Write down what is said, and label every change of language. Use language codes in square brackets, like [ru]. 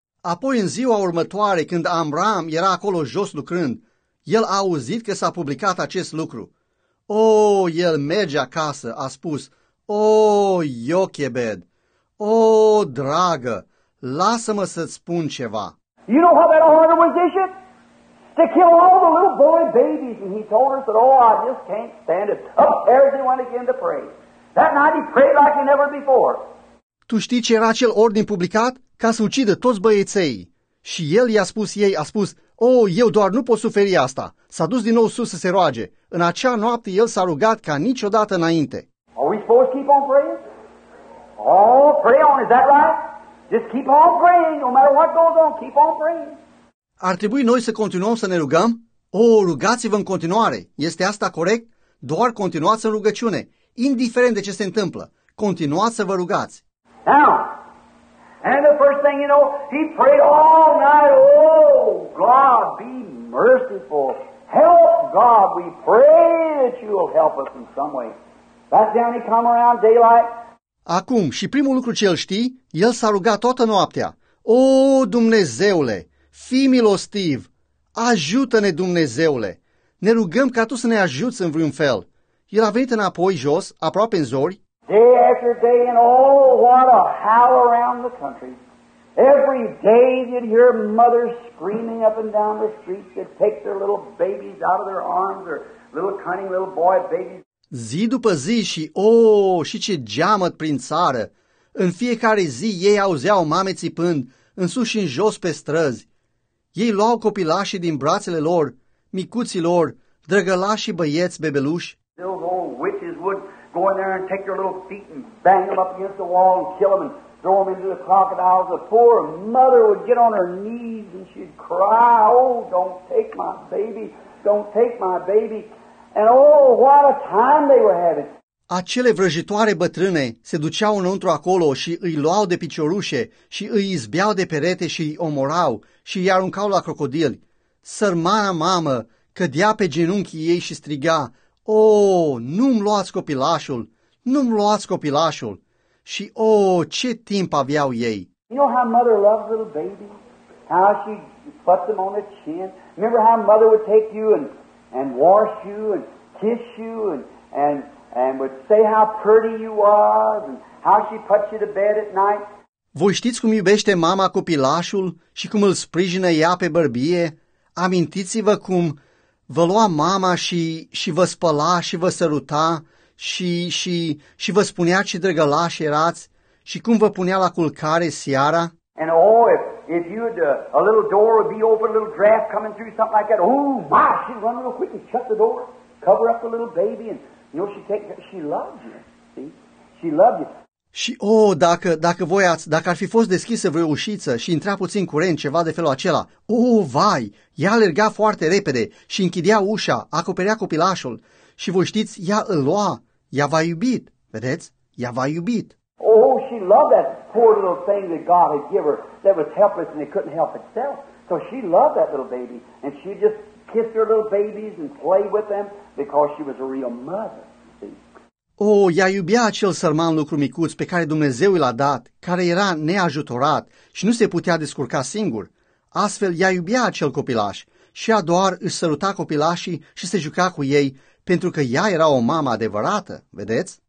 [ro] Apoi în ziua următoare, când Amram era acolo jos lucrând, el a auzit că s-a publicat acest lucru. El merge acasă, a spus. Iochebed. Dragă, lasă-mă să-ți spun ceva. [en] You know how that order was issued? To kill all the little boy babies. And he told us that, I just can't stand it. Up there he went again to pray. That night he prayed like he never before. [ro] Tu știi ce era acel ordin publicat? Ca să ucidă toți băieței. Și el i-a spus ei, a spus, eu doar nu pot suferi asta. S-a dus din nou sus să se roage. În acea noapte el s-a rugat ca niciodată înainte. [en] Are we supposed to keep on praying? Pray on, is that right? Just keep on praying, no matter what goes on, keep on praying. [ro] Ar trebui noi să continuăm să ne rugăm? Rugați-vă în continuare. Este asta corect? Doar continuați în rugăciune, indiferent de ce se întâmplă. Continuați să vă rugați. [en] Now, and the first thing you know, he prayed all night, God, be merciful. Help God, we pray that you will help us in some way. That's down, he come around daylight. [ro] Acum, și primul lucru ce el știe, el s-a rugat toată noaptea. Dumnezeule, fii milostiv, ajută-ne, Dumnezeule, ne rugăm ca tu să ne ajuți în vreun fel. El a venit înapoi jos, aproape în zori. [en] Day after day, and what a howl around the country. Every day you'd hear mothers screaming up and down the streets that take their little babies out of their arms, or little cunning little boy babies. [ro] Zi după zi și, și ce geamăt prin țară! În fiecare zi ei auzeau mame țipând, în sus și în jos pe străzi. Ei luau copilașii din brațele lor, micuții lor, drăgălașii băieți bebeluși. [en] Those old witches would go in there and take their little feet and bang them up against the wall and kill them and throw them into the crocodiles. The poor mother would get on her knees and she'd cry, don't take my baby, don't take my baby. And what a time they were having. [ro] Acele vrăjitoare bătrâne se duceau înăuntru acolo și îi luau de piciorușe și îi izbeau de perete și îi omorau și îi aruncau la crocodili. Sărmana mamă cădea pe genunchii ei și striga, „O, nu-mi luați copilașul! Nu-mi luați copilașul!" Și, o, ce timp aveau ei! [en] You know how mother loves little baby? How she puts them on the chin? Remember how mother would take you and wash you and kiss you and would say how pretty you are and how she puts you to bed at night? [ro] Voi știți cum iubește mama copilașul și cum îl sprijină ea pe bărbie? Amintiți-vă cum vă lua mama și vă spăla și vă săruta și vă spunea ce drăgălași erați și cum vă punea la culcare seara? [en] And oh, if you had a little door would be open, a little draft coming through, something like that. Oh, my, she'd run real quick and shut the door, cover up the little baby, and you know, she loved you, see? She loved you. [ro] Și, oh, dacă ar fi fost deschisă vreo ușiță și intra puțin curent, ceva de felul acela, oh, vai, ea alerga foarte repede și închidea ușa, acoperea copilașul și, voi știți, ea îl lua, ea v-a iubit, vedeți? Ea v-a iubit. [en] Oh, she loved that poor little thing that God had given her that was helpless and it couldn't help itself. So she loved that little baby and she just kissed her little babies and played with them because she was a real mother. [ro] Oh, ea iubea acel sărman lucru micuț pe care Dumnezeu i l-a dat, care era neajutorat și nu se putea descurca singur. Astfel, ea iubea acel copilaș și ea doar își săruta copilașii și se juca cu ei, pentru că ea era o mamă adevărată, vedeți?